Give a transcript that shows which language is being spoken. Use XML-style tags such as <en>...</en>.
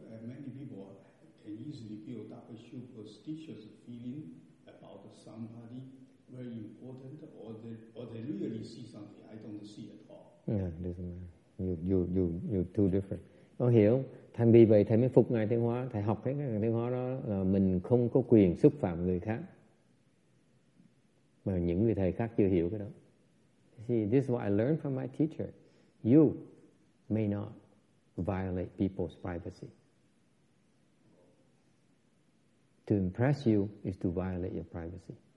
<en>Many people can easily build up a superstitious feeling about somebody very important, or they really see something I don't see at all. Yeah, it doesn't matter. You're too different.</en> <vi>Nó hiểu. Thành vì vậy thầy mới phục ngài Thiện Hóa. Thầy học cái ngài Thiện Hóa đó là mình không có quyền xúc phạm người khác. Mà những người thầy khác chưa hiểu cái đó.</vi> <en>See, this is what I learned from my teacher. You may not violate people's privacy. To impress you is to violate your privacy.</en>